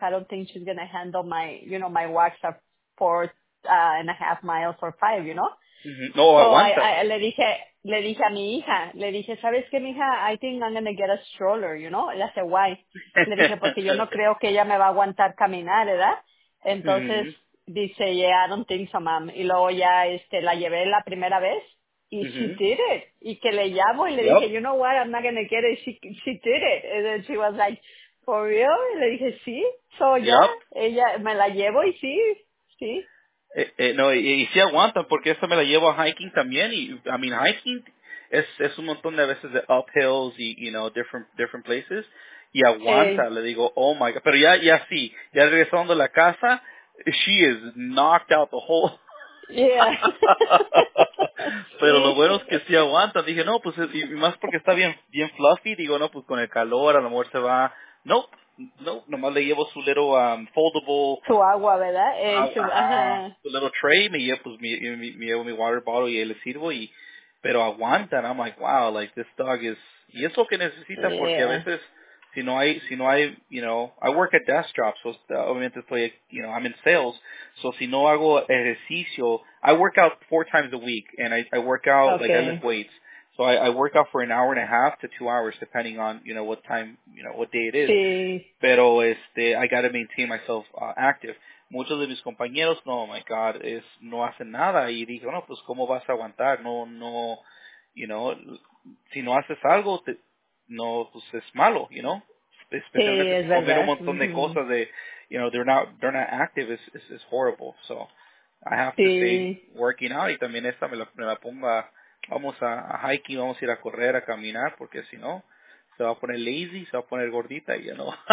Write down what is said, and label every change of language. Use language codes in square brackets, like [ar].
[en] I don't think she's going to handle my, you know, my walks at 4.5 miles or 5, you know. Mm-hmm. No, so I [es] le dije a mi hija, le dije, ¿sabes qué, mija? [en] I think I'm going to get a stroller, you know? [es] Ella dice, [en] why? [es] Le dije, porque yo no creo que ella me va a aguantar caminar, ¿verdad? Entonces, dice, [en] yeah, I don't think so, mom. [es] Y luego ya la llevé la primera vez y mm-hmm. [en] she did it. [es] Y que le llamo y le dije, [en] you know what, I'm not going to get it. She did it. And then she was like, for real? [es] Y le dije, sí. So, ella me la llevo y sí. No, y sí aguantan, porque esta me la llevo a hiking también, y, [en] I mean, [es] hiking es un montón de veces de uphills y, [en] you know, different places, [es] y aguanta, le digo, [en] oh my God, [es] pero ya regresando a la casa, [en] she is knocked out the whole, [es] Pero lo bueno es que sí aguanta. Dije, no, pues, y más porque está bien bien fluffy. Digo, no, pues con el calor a lo mejor se va. No, no, nomás le llevo su [en] little foldable. [es] Su agua, ¿verdad? Su [en] little tray. [es] Me llevo, pues, me llevo mi [en] water bottle [es] y ahí le sirvo. Y, pero aguanta. [en] And I'm like, wow, like, this dog is... [es] Y es lo que necesita porque a veces... [en] Si no hay, you know, I work at desk jobs, [es] so obviamente estoy, [en] you know, I'm in sales, so [es] si no hago ejercicio, [en] I work out 4 times a week, and I work out, okay. Like, I lift weights, so I work out for 1.5 to 2 hours, depending on, you know, what time, you know, what day it is, [es] sí. [en] Pero I gotta maintain myself active. [es] Muchos de mis compañeros, no, [en] my God, [es] no hacen nada, y dije, bueno, pues, ¿cómo vas a aguantar? No, [en] you know, [es] si no haces algo, no, pues es malo, you know, especialmente sí, comer un montón de cosas de, you know, [en] they're not active, it's horrible, so I have to stay working out, [es] y también esta me la pongo, vamos a hiking, vamos a ir a correr, a caminar, porque si no, se va a poner lazy, se va a poner gordita, you know.